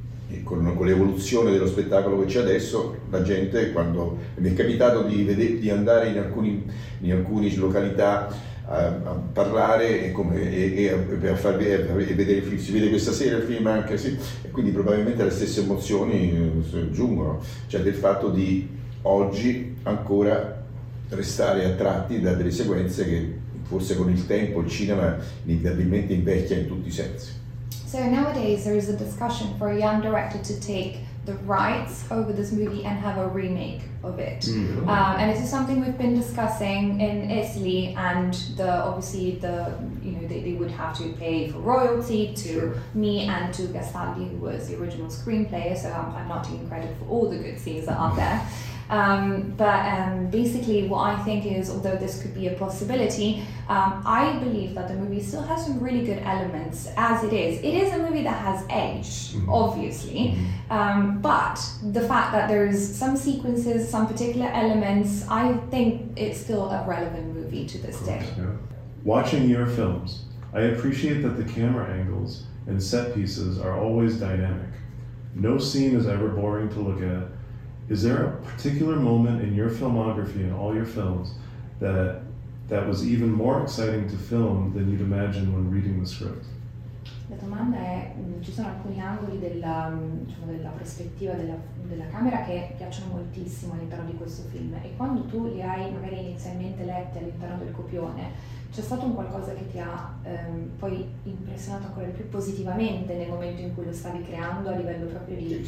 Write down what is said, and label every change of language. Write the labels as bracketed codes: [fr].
[it] E con l'evoluzione dello spettacolo che c'è adesso, la gente, quando mi è capitato di andare in alcune località a parlare e vedere il film, si vede questa sera il film anche, sì, e quindi probabilmente le stesse emozioni giungono, cioè del fatto di oggi ancora restare attratti da delle sequenze che forse con il tempo il cinema inevitabilmente invecchia in tutti i sensi. [en] So nowadays there is a discussion for a young director to take the rights over this movie and have a remake of it. Mm-hmm. And this is something we've been discussing in Italy, and they would have to pay for royalty to me and to Gastaldi, who was the original screenplayer, so I'm not taking credit for all the good scenes that are there. But basically what I think is, although this could be a possibility, I believe that the movie still has some really good elements as it is. It is a movie that has aged, obviously, but the fact that there's some sequences, some particular elements, I think it's still a relevant movie to this day. Yeah. Watching your films, I appreciate that the camera angles and set pieces are always dynamic. No scene is ever boring to look at. Is there a particular moment in your filmography, in all your films, that was even more exciting to film than you'd imagine when reading the script? [it] La domanda è, ci sono alcuni angoli della prospettiva della camera che piacciono moltissimo all'interno di questo film, e quando tu li hai magari inizialmente letti all'interno del copione, c'è stato un qualcosa che ti ha poi impressionato ancora più positivamente nel momento in cui lo stavi creando a livello proprio di...